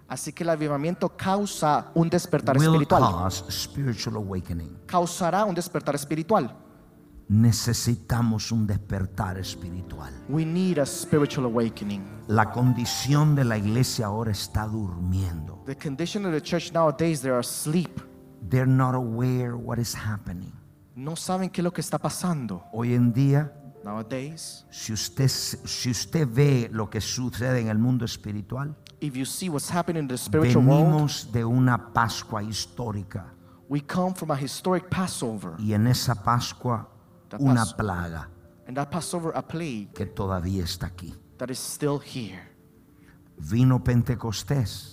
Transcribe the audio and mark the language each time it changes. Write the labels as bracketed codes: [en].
[es] Así que el avivamiento causa un despertar [en] will [es] espiritual. [en] Will cause spiritual awakening. [es] Causará un despertar espiritual. Necesitamos un despertar espiritual. [en] We need a spiritual awakening. [es] La condición de la iglesia ahora está durmiendo. [en] The condition of the church nowadays, they are asleep. They're not aware what is happening. [es] No saben qué es lo que está pasando. Hoy en día, [en] nowadays, [es] si usted ve lo que sucede en el mundo espiritual, [en] if you see what's happening in the spiritual [es] venimos [en] world, [es] venimos de una Pascua histórica. [en] We come from a historic Passover. [es] Y en esa Pascua una plaga. [en] And that Passover, a plague, [es] que todavía está aquí. [en] That is still here. [es] Vino Pentecostés.